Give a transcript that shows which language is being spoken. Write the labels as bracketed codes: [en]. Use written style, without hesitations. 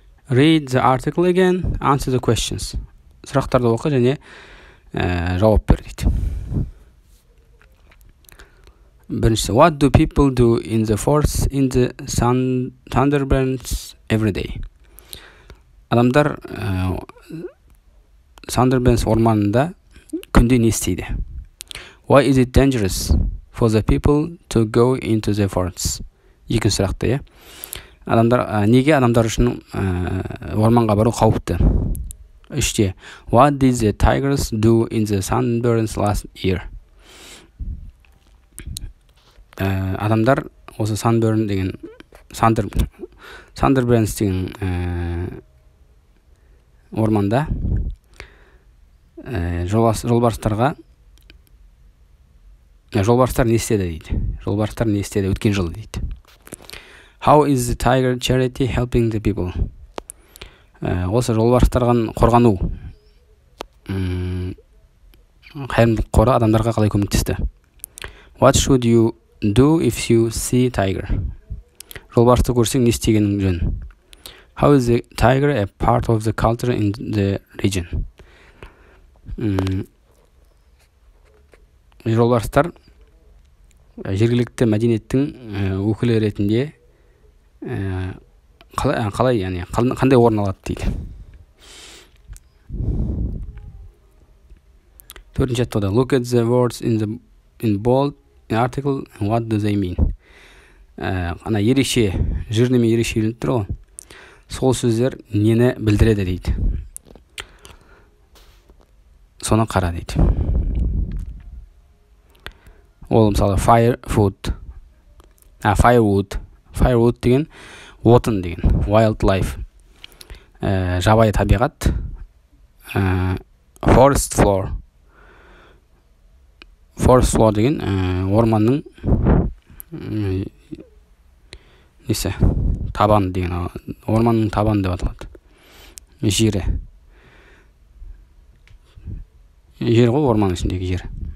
[en] Read the article again, answer the questions. [kk] Сұрақтарды оқы және жауап бер дейді. Біріншісі, [en] what do people do in the forest in the thunderbrands every day? [kk] Адамдар thunderbrands орманында күнде не істейді? [en] Why is it dangerous for the people to go into the forests? [kk] Екінші сұрақты, е? Адамдар, неге адамдар үшін орманға бару қауіпті? Үште, [en] what did the tigers do in the sunburns last year? [kk] Адамдар осы sunburn деген, sunburns деген орманда жолбарыстарға, жолбарыстар не істеді дейді, жолбарыстар не істеді өткен жылы дейді. [en] How is the tiger charity helping the people? [kk] Осы жолбарыстарға қорғану. Қайырымдылық қоры адамдарға қалай көмектесті? [en] What should you do if you see tiger? [kk] Жолбарысты көрсең не істегенің жөн? [en] How is the tiger a part of the culture in the region? [kk] Жолбарыстар жергілікті мәдениеттің өкілі ретінде қалай, яғни қандай орын алады дейді. Төртінші аттуда, [en] look at the words in bold in article, what do they mean? [kk] Ана ерекше, жүрнеме ерекше еліп тұр ғой. Сол сөздер нені білдіреді дейді. Соны қара дейді. Ол мысалы firewood деген отын деген, wildlife, жабайы табиғат, forest floor деген орманның несі, табан деген, орманның табан деп аталады, жер ғой, орманның ішіндегі жер.